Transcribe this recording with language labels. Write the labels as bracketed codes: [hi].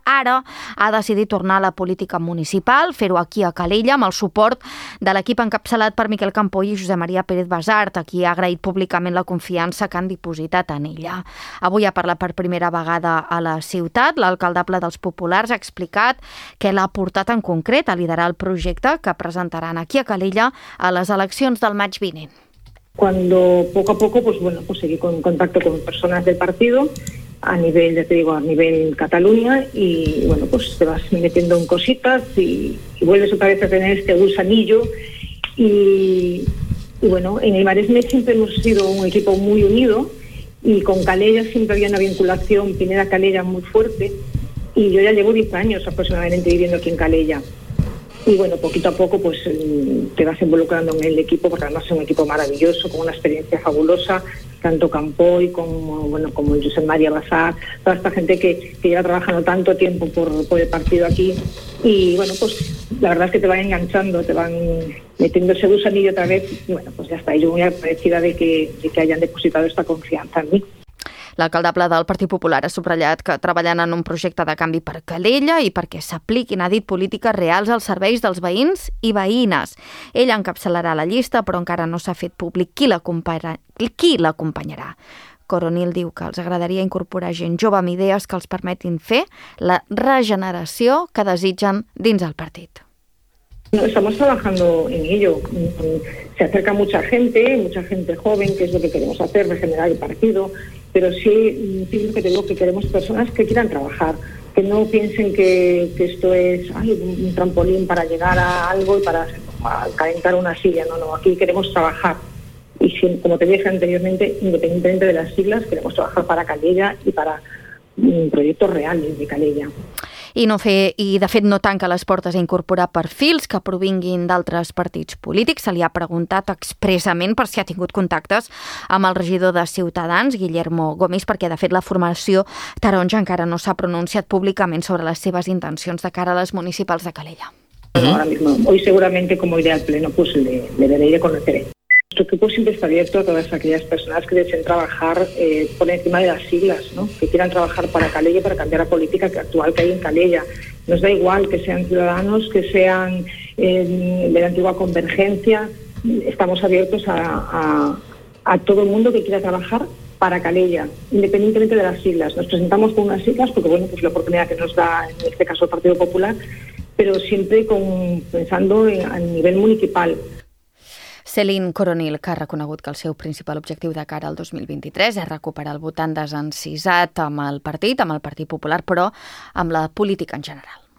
[ca] Ara ha decidit tornar a la política municipal, fer-ho aquí a Calella, amb el suport de l'equip encapçalat per Miquel Campoy i Josep Maria Pérez Basart, a qui ha agraït públicament la confiança que han dipositat en ella. Avui ha parlat per primera vegada a la ciutat. L'alcaldable dels Populars ha explicat què l'ha portat en concret a liderar el projecte que presentaran aquí a Calella a les eleccions del maig vinent. [es] Cuando poco a poco, pues bueno, pues seguí con contacto con personas del partido a nivel, ya te digo, a nivel Cataluña y bueno, pues te vas metiendo en cositas y vuelves otra vez a tener este gusanillo y bueno, en el Maresme siempre hemos sido un equipo muy unido y con Calella siempre había una vinculación Pineda-Calella muy fuerte y yo ya llevo 10 años aproximadamente viviendo aquí en Calella. Y bueno, poquito a poco pues te vas involucrando en el equipo, porque además es un equipo maravilloso, con una experiencia fabulosa, tanto Campoy como, bueno, como Josep Maria Basart, toda esta gente que lleva trabajando tanto tiempo por el partido aquí. Y bueno, pues la verdad es que te van enganchando, te van metiendo ese gusanillo otra vez. Y bueno, pues ya está. Y yo muy agradecida de que hayan depositado esta confianza en mí. [ca] L'alcaldable del Partit Popular ha subratllat que treballen en un projecte de canvi per Calella i perquè s'apliquin, ha dit, polítiques reals als serveis dels veïns i veïnes. Ell encapçalarà la llista, però encara no s'ha fet públic qui l'acompanyarà. Coronil diu que els agradaria incorporar gent jove amb idees que els permetin fer la regeneració que desitgen dins el partit. [es] Estamos trabajando en ello. Se acerca mucha gente joven, que es lo que queremos hacer, regenerar el partido. Pero sí lo que te digo, que queremos personas que quieran trabajar, que no piensen que esto es un trampolín para llegar a algo y para calentar una silla. No, aquí queremos trabajar. Y si, como te dije anteriormente, independientemente de las siglas, queremos trabajar para Calella y proyectos reales de Calella. [ca] I de fet no tanca les portes a incorporar perfils que provinguin d'altres partits polítics. Se li ha preguntat expressament per si ha tingut contactes amb el regidor de Ciutadans, Guillermo Gómez, perquè de fet la formació taronja encara no s'ha pronunciat públicament sobre les seves intencions de cara a les municipals de Calella. [es] Hoy seguramente como idea al pleno pues le daré a conocer. Este equipo siempre está abierto a todas aquellas personas que deseen trabajar por encima de las siglas, ¿no? Que quieran trabajar para Calella, para cambiar la política actual que hay en Calella. Nos da igual que sean ciudadanos, que sean de la antigua convergencia. Estamos abiertos a todo el mundo que quiera trabajar para Calella, independientemente de las siglas. Nos presentamos con unas siglas porque, bueno, pues la oportunidad que nos da, en este caso, el Partido Popular, pero siempre pensando a nivel municipal. [ca] Céline Coronil, que ha reconegut que el seu principal objectiu de cara al 2023 és recuperar el votant desencisat amb el Partit Popular, però amb la política en general.